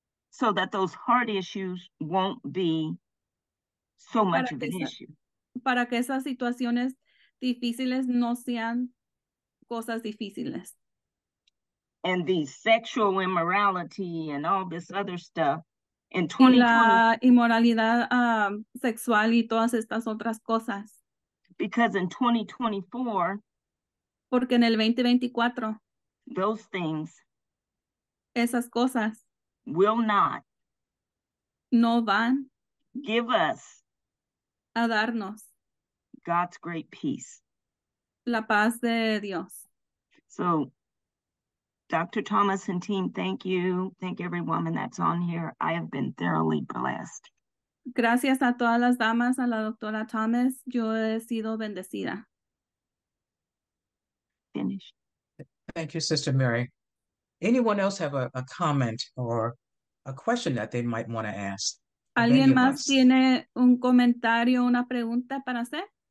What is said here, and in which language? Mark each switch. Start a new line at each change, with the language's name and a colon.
English: So that those heart issues won't be so much of an issue.
Spanish: Para que esas situaciones difíciles no sean cosas difíciles.
English: And the sexual immorality and all this other stuff. In
Spanish: 2020, la inmoralidad sexual y todas estas otras cosas.
English: Because in 2024,
Spanish: porque en el 2024,
English: those things,
Spanish: esas cosas,
English: will not,
Spanish: no van,
English: give us,
Spanish: a darnos,
English: God's great peace,
Spanish: la paz de Dios.
English: So, Dr. Thomas and team, thank you. Thank every woman that's on here. I have been thoroughly blessed.
Spanish: Gracias a todas las damas, a la doctora Thomas. Yo he sido bendecida.
English: Finished. Thank you, Sister Mary. Anyone else have a comment or a question that they might want to ask?
Spanish: ¿Alguien más tiene un comentario, una pregunta para hacer?